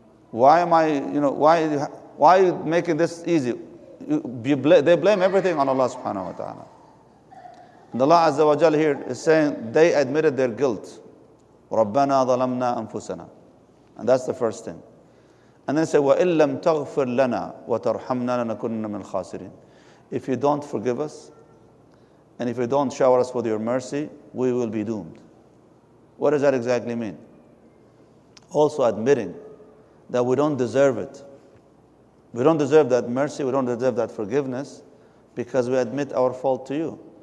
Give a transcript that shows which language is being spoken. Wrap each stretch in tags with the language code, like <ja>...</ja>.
<en>Why am I, you know, why are you making this easy? They blame everything on Allah subhanahu wa ta'ala. And Allah Azza wa Jal here is saying, they admitted their guilt.</en> <ar>رَبَّنَا ظَلَمْنَا أَنفُسَنَا.</ar> <en>And that's the first thing. And then say,</en> <ar>وَإِن لَمْ تَغْفِرْ لَنَا وَتَرْحَمْنَا لَنَكُنَّ مِنْ الْخَاسِرِينَ.</ar> <en>If you don't forgive us, and if you don't shower us with your mercy, we will be doomed. What does that exactly mean? Also admitting that we don't deserve it. We don't deserve that mercy, we don't deserve that forgiveness, because we admit our fault to you.</en>